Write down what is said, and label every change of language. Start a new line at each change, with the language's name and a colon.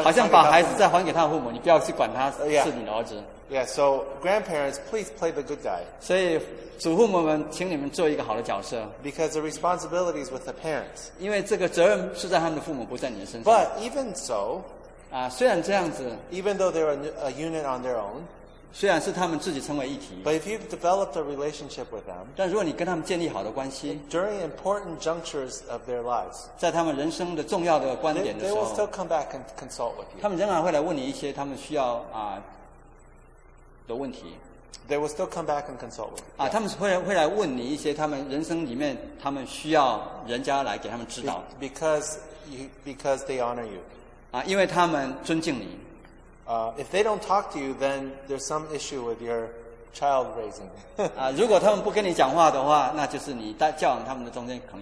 Chinese: 好像把孩子再还给他的父母，你不要去管他是你的儿子。
English: Yeah, so grandparents, please play the good guy.
Chinese: 所以祖父母们，请你们做一个好的角色。
English: Because the responsibility is with the parents.
Chinese: 因为这个责任是在他们的父母，不在你的身上。
English: But even so,
Chinese: 啊，虽然这样子
English: ，even though they're a unit on their own.
Chinese: 虽然是他们自己成为一体
English: ，But if you've developed a relationship with them，
Chinese: 但如果你跟他们建立好的关系
English: ，During important junctures of their lives，
Chinese: 在他们人生的重要的观点的时候
English: ，They will still come back and consult with you。
Chinese: 他们仍然会来问你一些他们需要啊的问题。
English: They will still come back and consult with you。
Chinese: 啊，他们会来问你一些他们人生里面他们需要人家来给他们指导。
English: Because they honor you。
Chinese: 啊，因为他们尊敬你。
English: If they don't talk to you, then there's some issue with your child raising.
Chinese: 啊，如果他们不跟你讲话的话，那就是你在教养他们的中间可能。